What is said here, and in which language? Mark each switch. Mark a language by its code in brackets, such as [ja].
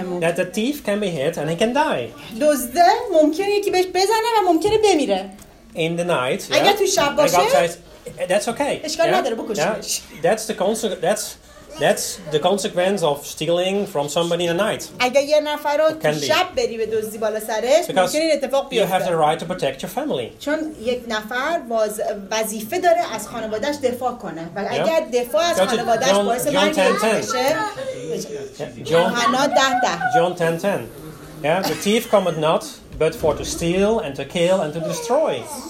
[en] That the thief can be hit and he can die. [fa] دزده ممکنه یکی بهش بزنه و ممکنه بمیره. [en] In the night. Yeah? [fa] اگه تو شب باشه. [en] That's okay. [fa] اشکال نداره بکشیش. [en] That's the consequence. That's the consequence of stealing from somebody in the night. [fa] اگه یه نفر رو شب بری به دزدی بالا سرش، ممکن این اتفاق بیفته. [en] You have the right to protect your family. [fa] چون یک نفر وظیفه داره از خانواده‌اش دفاع کنه. و اگر دفاع از خانواده‌اش باعث مرگ بشه، یوحنا 10:10. [en] John 10:10. Yeah, the thief cometh not but for to steal and to kill and to destroy.